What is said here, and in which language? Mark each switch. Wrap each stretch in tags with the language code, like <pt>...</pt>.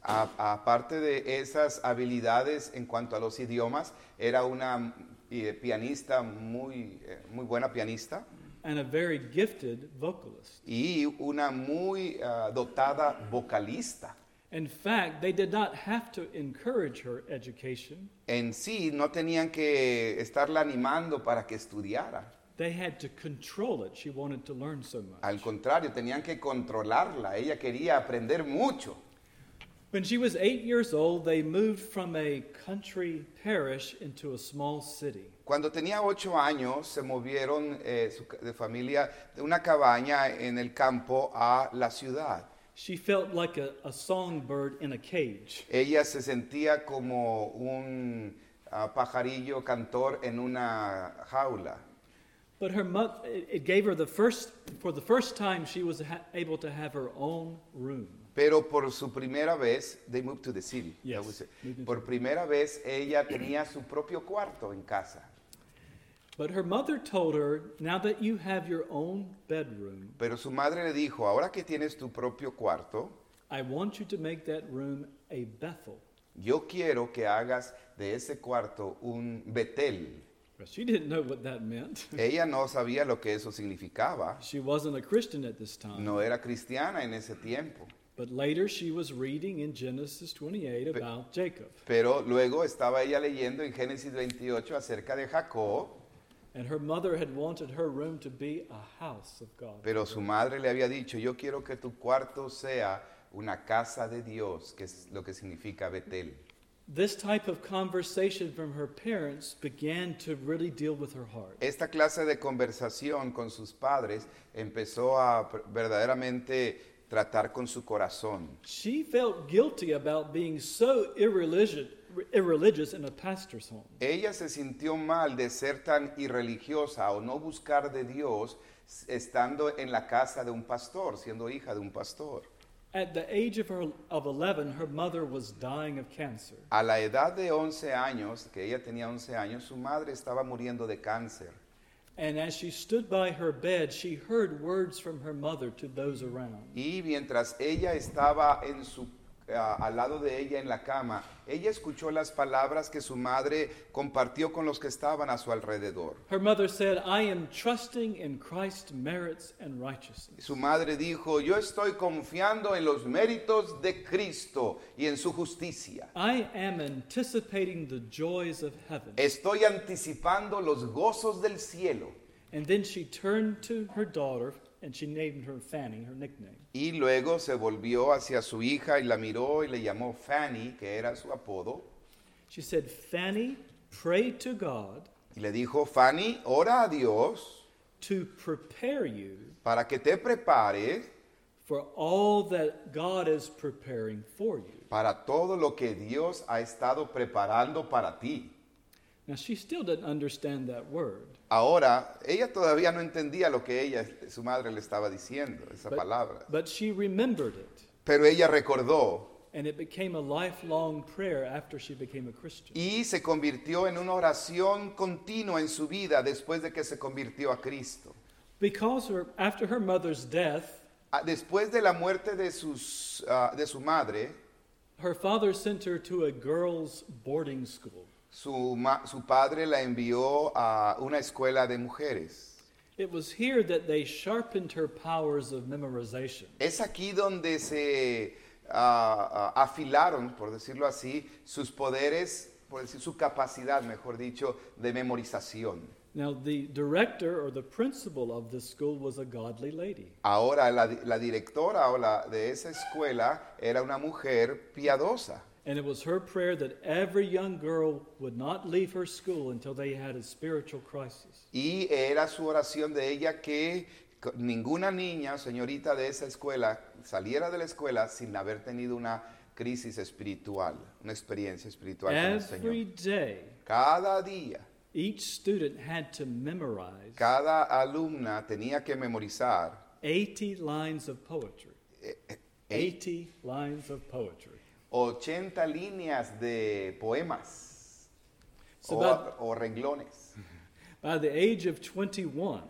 <es>Aparte de esas habilidades en cuanto a los idiomas, era una pianista muy muy buena pianista.</es> <en>And a very gifted vocalist.</en> <es>Y una muy dotada vocalista.</es> <en>In fact, they did not have to encourage her education.</en> <es>En sí, no tenían que estarla animando para que estudiara.</es> <en>They had to control it. She wanted to learn so much.</en> <es>Al contrario, tenían que controlarla. Ella quería aprender mucho.</es> <en>When she was 8 years old, they moved from a country parish into a small city.</en> <es>Cuando tenía 8 años, se movieron de familia de una cabaña en el campo a la ciudad.</es> <en>She felt like a songbird in a cage.</en> <es>Ella se sentía como un pajarillo cantor en una jaula.</es> <en>But her mother, it gave her for the first time, she was able to have her own room.</en> <es>Pero por su primera vez,</es> <en>they moved to the city. Yes.</en> <es>Por primera vez, ella tenía su propio cuarto en casa.</es> <en>But her mother told her, now that you have your own bedroom.</en> <es>Pero su madre le dijo, ahora que tienes tu propio cuarto.</es> <en>I want you to make that room a Bethel.</en> <es>Yo quiero que hagas de ese cuarto un Betel.</es> <en>She didn't know what that meant.</en> <es>Ella no sabía lo que eso significaba.</es> <en>She wasn't a Christian at this time.</en> <es>No era cristiana en ese tiempo.</es> <en>But later she was reading in Genesis 28 about Jacob.</en> <es>Pero luego estaba ella leyendo en Génesis 28 acerca de Jacob.</es> <en>And her mother had wanted her room to be a house of God.</en> <es>Pero su madre le había dicho, yo quiero que tu cuarto sea una casa de Dios, que es lo que significa Betel.</es> <en>This type of conversation from her parents began to really deal with her heart.</en> <es>Esta clase de conversación con sus padres empezó a verdaderamente tratar con su corazón.</es> <en>She felt guilty about being so irreligious in a pastor's home.</en> <es>Ella se sintió mal de ser tan irreligiosa o no buscar de Dios estando en la casa de un pastor, siendo hija de un pastor.</es> <en>At the age of 11, her mother was dying of cancer.</en> <es>A la edad de 11 años, que ella tenía 11 años, su madre estaba muriendo de cáncer.</es> <en>And as she stood by her bed, she heard words from her mother to those around.</en> <es>Y mientras ella estaba en su al lado de ella en la cama, ella escuchó las palabras que su madre compartió con los que estaban a su alrededor.</es> <en>Her mother said, "I am trusting in Christ's merits and righteousness."</en> <es>Su madre dijo, "Yo estoy confiando en los méritos de Cristo y en su justicia."</es> <en>"I am anticipating the joys of heaven."</en> <es>Estoy anticipando los gozos del cielo.</es> <en>And then she turned to her daughter and she named her Fanny, her nickname.</en> <es>Y luego se volvió hacia su hija y la miró y le llamó Fanny, que era su apodo.</es> <en>She said, "Fanny, pray to God."</en> <es>Y le dijo, "Fanny, ora a Dios."</es> <en>"To prepare you."</en> <es>Para que te prepare.</es> <en>"For all that God is preparing for you."</en> <es>Para todo lo que Dios ha estado preparando para ti.</es> <en>Now she still didn't understand that word.</en> <es>Ahora, ella todavía no entendía lo que ella, su madre le estaba diciendo, esa palabra.</es> <en>But she remembered it.</en> <es>Pero ella recordó.</es> <en>And it became a lifelong prayer after she became a Christian.</en> <es>Y se convirtió en una oración continua en su vida después de que se convirtió a Cristo.</es> <en>Because after her mother's death,</en> <es>después de la muerte de su madre,</es> <en>her father sent her to a girls' boarding school.</en> <es>Su padre la envió a una escuela de mujeres.</es> <en>It was here that they sharpened her powers of memorization.</en> <es>Es aquí donde se afilaron, por decirlo así, sus poderes, por decir, su capacidad, mejor dicho, de memorización.</es> <en>Now the director or the principal of this school was a godly lady.</en> <es>Ahora la directora o la de esa escuela era una mujer piadosa.</es> <en>And it was her prayer that every young girl would not leave her school until they had a spiritual crisis.</en> <es>Y era su oración de ella que ninguna niña, señorita de esa escuela, saliera de la escuela sin haber tenido una crisis espiritual, una experiencia espiritual con el Señor.</es> <en>Every day,</en> <es>cada día,</es> <en>each student had to memorize,</en> <es>cada alumna tenía que memorizar</es> <en>80 lines of poetry. 80 lines of poetry.</en> <es>80 líneas de poemas o renglones.</es> <en>By the age of 21,</en>